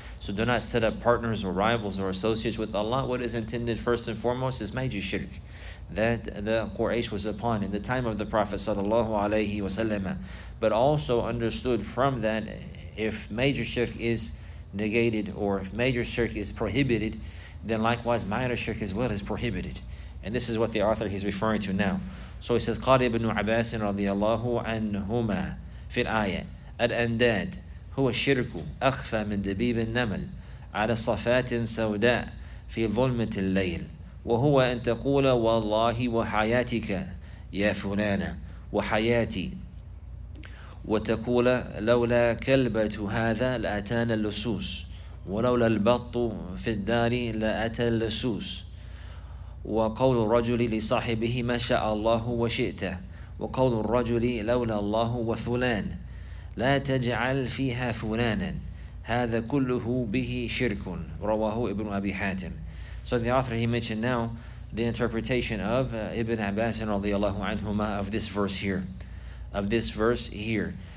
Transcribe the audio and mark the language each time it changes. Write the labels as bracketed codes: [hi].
[en] So do not set up partners or rivals or associates with Allah. What is intended first and foremost is major shirk that the Quraysh was upon in the time of the Prophet sallallahu alayhi wa sallam. But also understood from that, if major shirk is negated or if major shirk is prohibited, then likewise minor shirk as well is prohibited. And this is what the author is referring to now. So he says, [ar] قَالِ ابْنُ عَبَاسٍ رَضِيَ اللَّهُ عَنْهُمَا فِي الْآيَةِ الْأَنْدَادِ هُوَ الشِّرْكُ أَخْفَى مِنْ دَبِيبِ النَّمَلِ عَلَى صَفَاتٍ سَوْدَاءِ فِي ظُلْمَةِ اللَّيْلِ وَهُوَ أَنْ تَقُولَ وَاللَّهِ وَحَيَاتِكَ يَا فُلَانَ وَحَيَاتِي وَتَقُولَ لَوْلَا كَلْبَةُ هَذَا لَأَتَانَا اللُّسُوسُ ولولا البط في الدار لأتى اللصوص وقول الرجل لصاحبه ما شاء الله وشئته وقول الرجل لولا الله وفلان لا تجعل فيها فلانا هذا كله به شرك رواه ابن أبي حاتم. [en] So the author, he mentioned now the interpretation of Ibn Abbas radiallahu anhuma of this verse here.